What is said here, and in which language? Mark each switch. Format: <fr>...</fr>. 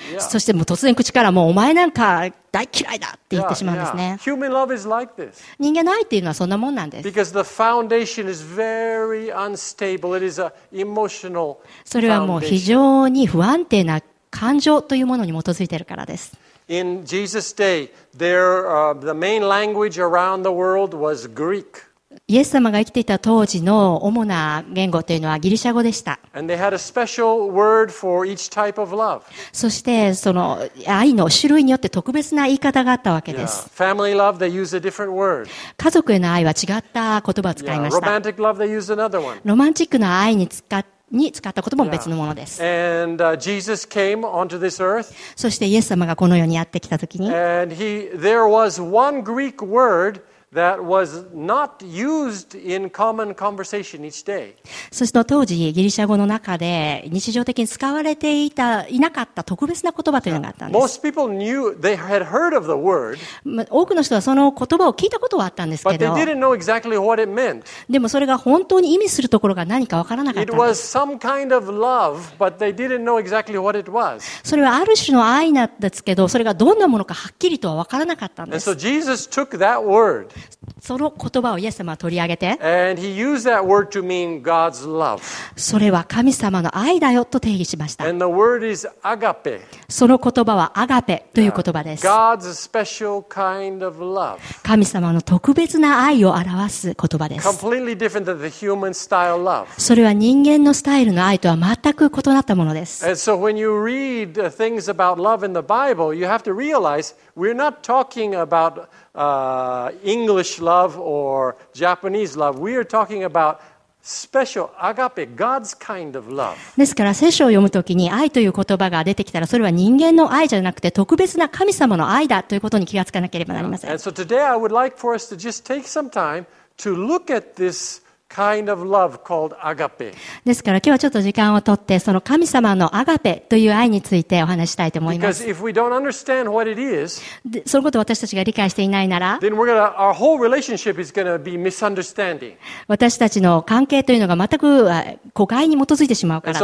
<ja>そしてもう突然口からもうお前なんか大嫌いだって言ってしまうんですね。</ja> <en>Yeah, yeah. Human love is like this.</en> <ja>人間の愛っていうのはそんなもんなんです。</ja> <en>Because the foundation is very unstable. It is an emotional foundation.</en> <ja>それはもう非常に不安定な感情というものに基づいているからです。</ja> <en>In Jesus' day, the main language around the world was Greek.</en> <ja>イエス様が生きていた当時の主な言語というのはギリシャ語でした。</ja> <en>And they had a special word for each type of love.</en> <ja>そしてその愛の種類によって特別な言い方があったわけです。</ja> <en>Yeah. Family love, they use a different word.</en> <ja>家族への愛は違った言葉を使いました。</ja> <en>Romantic love, they use another one.</en> <ja>ロマンチックな愛に使った言葉も別のものです。</ja> <en>And, Jesus came onto this earth.</en> <ja>そしてイエス様がこの世にやってきたときに、</ja> <en>And he, there was one Greek word that was not used in common conversation each day.</en> <ja>そして当時ギリシャ語の中で日常的に使われていた、いなかった特別な言葉というのがあったんです。</ja> <en>Most people knew they had heard of the word.</en> <ja>多くの人はその言葉を聞いたことはあったんですけど、</ja> <en>But they didn't know exactly what it meant.</en> <ja>でもそれが本当に意味するところが何かわからなかったんです。</ja> <en>It was some kind of love, but they didn't know exactly what it was.</en> <ja>それはある種の愛なんですけど、それがどんなものかはっきりとはわからなかったんです。</ja> <en>And so Jesus took that word.</en> <ja>その言葉をイエス様は取り上げて、</ja> <en>And he used that word to mean God's love.</en> <ja>それは神様の愛だよと定義しました。</ja> <en>And the word is agape.</en> <ja>その言葉はアガペという言葉です。</ja> <en>God's special kind of love.</en> <ja>神様の特別な愛を表す言葉です。</ja> <en>Completely different than the human style love.</en> <ja>それは人間のスタイルの愛とは全く異なったものです。</ja> <en>And so when you read things about love in the Bible, you have to realize we're not talking aboutEnglish love or Japanese love. We are talking about special agape, God's kind of love.</en> <ja>ですから聖書を読むときに愛という言葉が出てきたら、それは人間の愛じゃなくて特別な神様の愛だということに気がつかなければなりません。</ja> <en>And so today I would like for us to just take some time to look at this. Kind of love called agape.</en> <ja>ですから今日はちょっと時間を取ってその神様のアガペという愛についてお話したいと思います。</ja> <en>Because if we don't understand what it is,</en> <ja>そのことを私たちが理解していないなら、</ja> <en>then we're gonna, our whole relationship is gonna be misunderstanding.</en> <ja>私たちの関係というのが全く誤解に基づいてしまうからです。</ja>